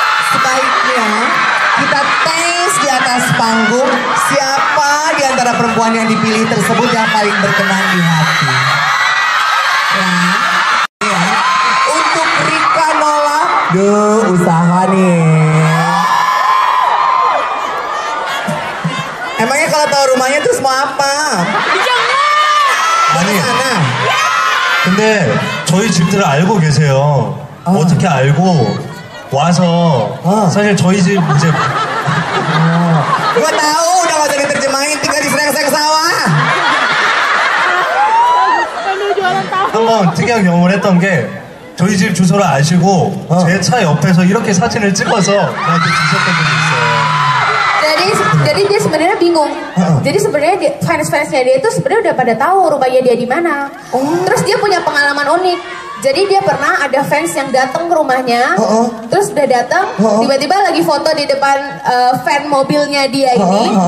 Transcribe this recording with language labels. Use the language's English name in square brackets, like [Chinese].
[Indonesian] Sebaiknya kita tes di atas panggung siapa di antara perempuan yang dipilih tersebut yang paling berkenan di hati. Nah, ya. Untuk Rika Nola, duh usaha nih. Emangnya kalau tahu rumahnya terus mau apa? Di jalan. Mana? Bener. [Korean] 저희 집들을 알고 계세요. 어. 어떻게 알고 와서 어. 사실 저희 집 이제 [Indonesian] gua tahu udah gak jadi terjemahin tinggal di serang-serang sawah. [Korean] 한번 특이한 경험을 했던 게 저희 집 주소를 아시고 어. 제 차 옆에서 이렇게 사진을 찍어서 나한테 주셨던 분이 있어요. [Indonesian] Jadi dia sebenarnya bingung. Jadi sebenarnya fans-fansnya dia itu sebenarnya udah pada tahu rumahnya dia di mana. Oh. Terus dia punya pengalaman unik. Jadi dia pernah ada fans yang datang ke rumahnya. Terus udah datang, tiba-tiba lagi foto di depan fan mobilnya dia ini.